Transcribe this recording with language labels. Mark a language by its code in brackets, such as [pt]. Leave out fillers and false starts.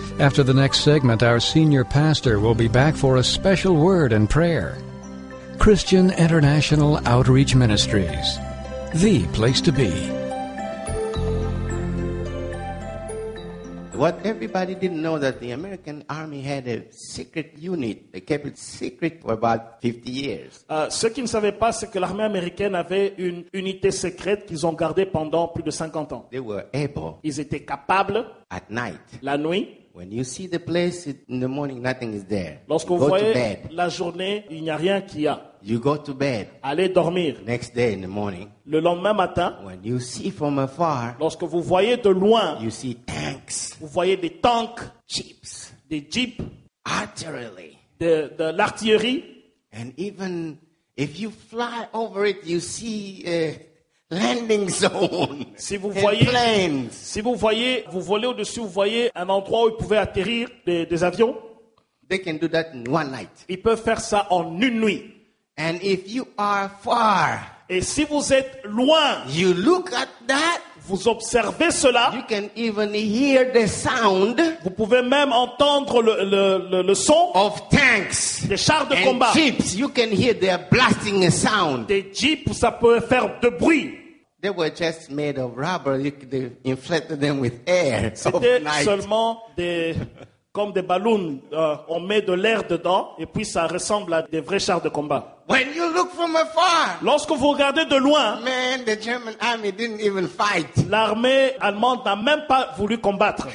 [en] After the next segment, our senior pastor will be back for a special word and prayer. Christian International Outreach Ministries, the place to be. What everybody didn't know that the American Army had a secret unit. They kept it secret for about 50 years. [fr] Ceux qui ne savaient pas, c'est que l'armée américaine avait une unité secrète qu'ils ont gardée pendant plus de 50 ans. [en] They were able. [fr] Ils étaient capables. [en] At night. [fr] La nuit. [en] When you see the place in the morning, nothing is there. [fr] Lorsque [en] you [fr] vous voyez la journée, il n'y a rien qui y a. [en] You go to bed. [fr] Allez dormir. [en] Next day in the morning. [fr] Le lendemain matin. [en] When you see from afar. [fr] Lorsque vous voyez de loin. [en] You see tanks. [fr] Vous voyez des tanks. [en] Jeeps. [fr] Des jeeps. [en] Artillery. [fr] De l'artillerie. [en] And even if you fly over it, you see landing zone. [fr] Si vous voyez, [en] and planes. [fr] Si vous voyez, vous volez au-dessus, vous voyez un endroit où ils pouvaient atterrir des avions. [en] They can do that in one night. [fr] Ils peuvent faire ça en une nuit. [en] And if you are far, [fr] et si vous êtes loin, [en] you look at that, [fr] vous observez cela, [en] you can even hear the sound, [fr] vous pouvez même entendre le son [en] of tanks, [fr] des chars de [en] and [fr] combat, [en] jeeps, you can hear their blasting sound, [fr] des jeeps, ça peut faire de bruit. [en] They were just made of rubber, they inflated them with air. [fr] C'était seulement des comme des ballons, on met de l'air dedans et puis ça ressemble à des vrais chars de combat. [en] When you look from afar, [fr] lorsque vous regardez de loin, [en] man, the German army didn't even fight. [fr] L'armée allemande n'a même pas voulu combattre.